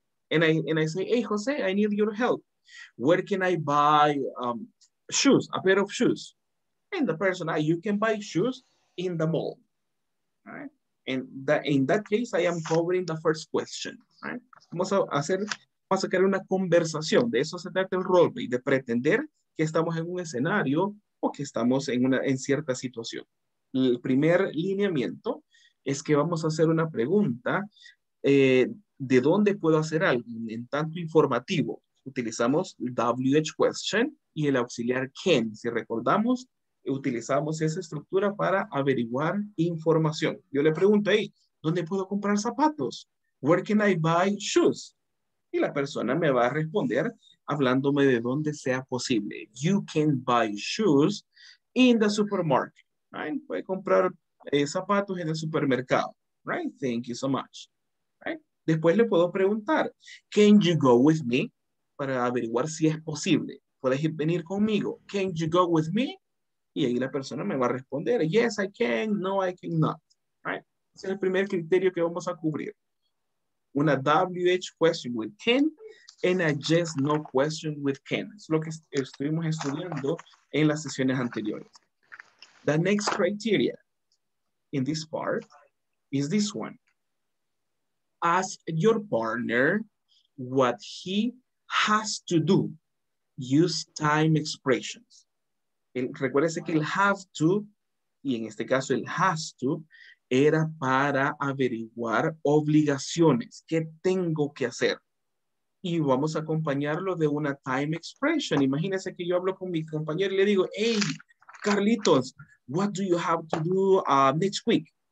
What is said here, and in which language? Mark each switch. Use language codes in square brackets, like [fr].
[en] And I say, hey, Jose, I need your help. Where can I buy shoes, a pair of shoes? And the person, you can buy shoes in the mall, right? And in that case, I am covering the first question, right? [es] Vamos a crear una conversación. De eso se trata el roleplay, de pretender que estamos en un escenario o que estamos en cierta situación. El primer lineamiento es que vamos a hacer una pregunta de dónde puedo hacer algo en tanto informativo. Utilizamos WH question y el auxiliar can. Si recordamos, utilizamos esa estructura para averiguar información. Yo le pregunto ahí, ¿dónde puedo comprar zapatos? [en] Where can I buy shoes? [es] Y la persona me va a responder hablándome de dónde sea posible. [en] You can buy shoes in the supermarket. Right? [es] Puede comprar zapatos en el supermercado. Right? [en] Thank you so much. [es] Right? Después le puedo preguntar, [en] can you go with me? [es] Para averiguar si es posible. ¿Puedes venir conmigo? [en] Can you go with me? [es] Y ahí la persona me va a responder, [en] yes, I can, no, I cannot. Right? [es] Ese es el primer criterio que vamos a cubrir. [en] Una WH question with can and a yes, no question with can. [es] Es lo que estuvimos estudiando en las sesiones anteriores. [en] The next criteria in this part is this one. Ask your partner what he has to do. Use time expressions. [es] Recuérdese que el have to, y en este caso el has to, era para averiguar obligaciones. ¿Qué tengo que hacer? Y vamos a acompañarlo de una time expression. Imagínese que yo hablo con mi compañero y le digo, hey, Carlitos, [en] what do you have to do next week?